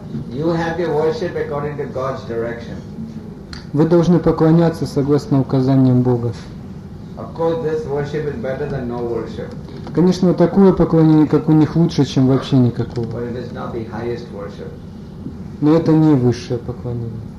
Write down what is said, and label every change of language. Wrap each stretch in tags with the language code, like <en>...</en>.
<en>You have to worship according to God's direction.</en> <ru>Вы должны поклоняться согласно указаниям Бога.</ru> <en>Of course, this worship is better than no worship.</en> <ru>Конечно, такое поклонение, как у них, лучше, чем вообще никакого.</ru> <en>But it is not the highest worship.</en> <ru>Но это не высшее поклонение.</ru>